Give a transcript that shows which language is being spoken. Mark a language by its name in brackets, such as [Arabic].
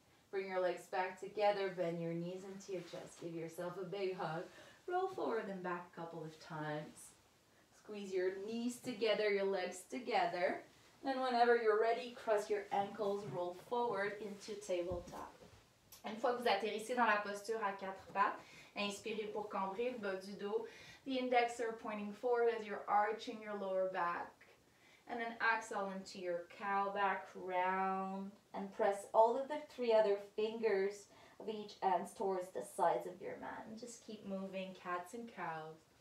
[English] Bring your legs back together, bend your knees into your chest, give yourself a big hug. Roll forward and back a couple of times. Squeeze your knees together, your legs together. Then whenever you're ready, cross your ankles, roll forward into tabletop. [French] Une fois que vous atterrissez dans la posture à quatre pattes, inspirez pour cambrer le bas du dos. [English] The index are pointing forward as you're arching your lower back. And then exhale into your cow back, round. And press all of the three other fingers of each hand towards the sides of your mat. And just keep moving cats and cows.